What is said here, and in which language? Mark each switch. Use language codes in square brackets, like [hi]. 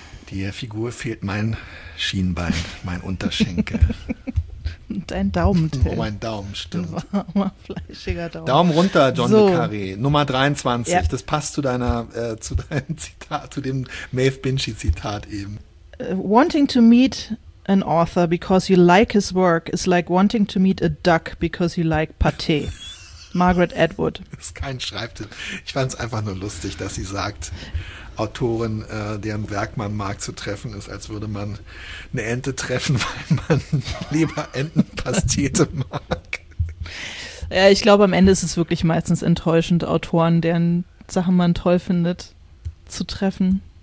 [de] Der Figur fehlt mein Schienbein, mein Unterschenkel. Dein Daumen. Oh, mein Daumen, stimmt. Warmer, fleischiger Daumen. Daumen runter, John so. Le Carré. Nummer 23. Ja. Das passt zu deiner, zu deinem Zitat, zu dem Maeve Binchy-Zitat eben. [en] Wanting to meet an author because you like his work is like wanting to meet a duck because you like Pâté. Margaret Atwood. [de] Das ist kein Schreibtipp. Ich fand es einfach nur lustig, dass sie sagt, Autorin, deren Werk man mag, zu treffen ist, als würde man eine Ente treffen, weil man lieber Entenpastete mag. Ja, ich glaube, am Ende ist es wirklich meistens enttäuschend, Autoren, deren Sachen man toll findet, zu treffen.